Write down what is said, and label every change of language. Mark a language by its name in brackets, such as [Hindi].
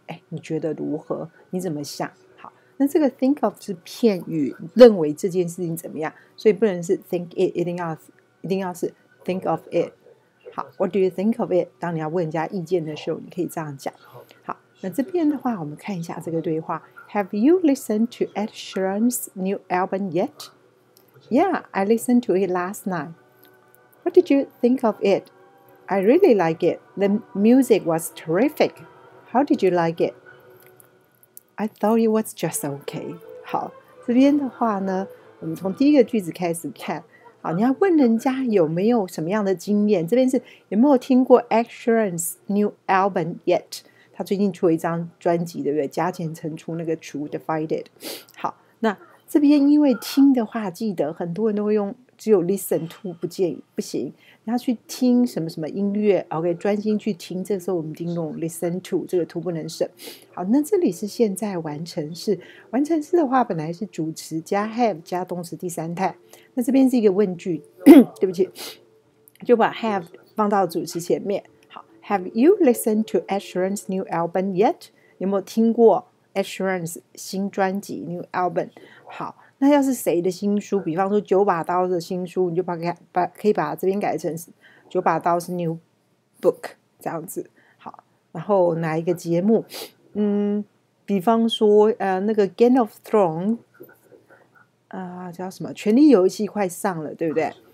[Chinese] 哎，你觉得如何？你怎么想？好，那这个 think of 是片语，认为这件事情怎么样，所以不能是 think it， 一定要是 think of it。 [English] 好 ，What do you think of it？ [Chinese] 当你要问人家意见的时候，你可以这样讲。好，那这边的话，我们看一下这个对话。 [English] Have you listened to Ed Sheeran's new album yet？ Yeah， I listened to it last night。 What did you think of it？ I really like it。 The music was terrific。 How did you like it？ I thought it was just okay。 [Chinese] 好，这边的话呢，我们从第一个句子开始看。好，你要问人家有没有什么样的经验，这边是有没有听过 Ed Sheeran's new album yet？他最近出了一张专辑，对不对？加减乘除那个 true divided。好，那这边因为听的话，记得很多人都会用只有 listen to， 不建议，不行，你要去听什么什么音乐， OK， 专心去听，这个时候我们听用 listen to， 这个 to 不能省。好，那这里是现在完成式，完成式的话本来是主词加 have 加动词第三态，那这边是一个问句，对不起，就把 have 放到主词前面。 [English] 好， Have you listened to Ed Sheeran's new album yet？ [Chinese] 有没有听过 Ed Sheeran's 新专辑 new album？好，那要是谁的新书，比方说九把刀的新书，你就可以把这边改成九把刀是 new book 这样子。好，然后哪一个节目，比方说那个 Game of Thrones， 叫什么权力游戏快上了，对不对？